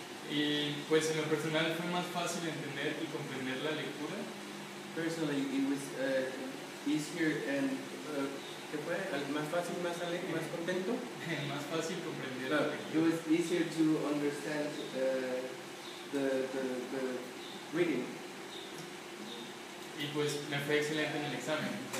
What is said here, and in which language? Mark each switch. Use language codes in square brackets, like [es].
[es] Y pues en lo personal fue más fácil entender y comprender la lectura. [en] Personally, it was easier and [es] ¿qué fue? Más fácil, más alegre, más contento. Más fácil comprender. [en] It was easier to understand the reading. [es] Y pues me fue excelente en el examen.